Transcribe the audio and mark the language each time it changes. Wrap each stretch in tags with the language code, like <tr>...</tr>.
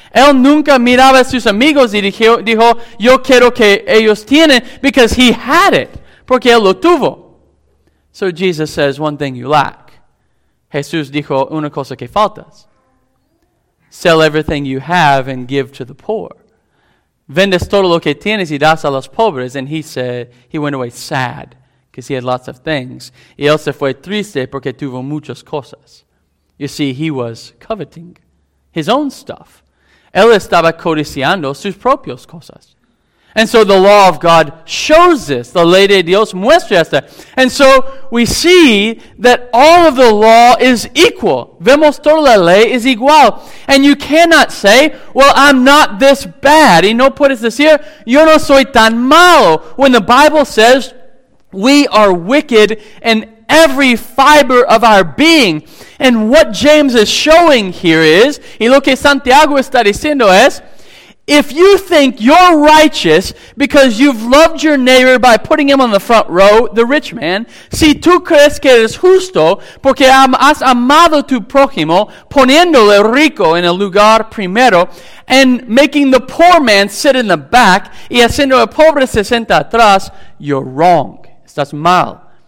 <es>Él nunca miraba a sus amigos y dijo, yo quiero que ellos tienen,</es> <en>because he had it,</en> <es>porque él lo tuvo.</es> <en>So Jesus says, one thing you lack.</en> <es>Jesús dijo, una cosa que faltas.</es> <en>Sell everything you have and give to the poor.</en> <es>Vendes todo lo que tienes y das a los pobres.</es> <en>And he said, he went away sad, because he had lots of things.</en> <es>Y él se fue triste porque tuvo muchas cosas.</es> <en>You see, he was coveting his own stuff.</en> <es>Él estaba codiciando sus propias cosas.</es> <en>And so the law of God shows this. The</en> <es>ley de Dios muestra esto.</es> <en>And so we see that all of the law is equal.</en> <es>Vemos toda la ley es igual.</es> <en>And you cannot say, well, I'm not this bad.</en> <es>Y no puedes decir, yo no soy tan malo.</es> <en>When the Bible says, we are wicked in every fiber of our being. And what James is showing here is,</en> <es>y lo que Santiago está diciendo es,</es> <en>if you think you're righteous because you've loved your neighbor by putting him on the front row, the rich man,</en> <es>si tú crees que eres justo porque has amado tu prójimo poniéndole rico en el lugar primero</es> <en>and making the poor man sit in the back</en> <es>y haciendo el pobre se sienta atrás,</es> <en>you're wrong.</en> <es>Estás mal.</es>